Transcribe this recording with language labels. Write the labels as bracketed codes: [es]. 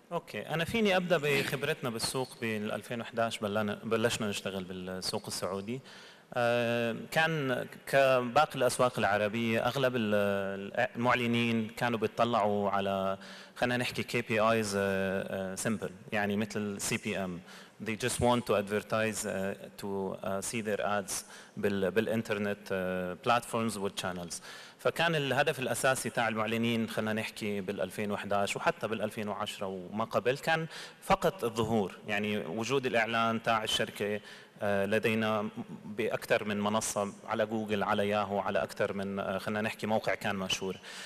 [ar] أوكي، أنا فيني أبدأ بخبرتنا بالسوق. بال2011 بلشنا نشتغل بالسوق السعودي. كان كباقي الأسواق العربية أغلب المعلنين كانوا بيطلعوا على، خلينا نحكي KPIs simple، يعني مثل CPM. [en] They just want to advertise to see their ads بالإنترنت platforms with channels. [ar] فكان الهدف الأساسي تاع المعلنين، خلنا نحكي بال2011 وحتى بال2010 وما قبل، كان فقط الظهور، يعني وجود الإعلان تاع الشركة لدينا بأكثر من منصة، على جوجل، على ياهو، على أكثر من خلنا نحكي موقع كان مشهور.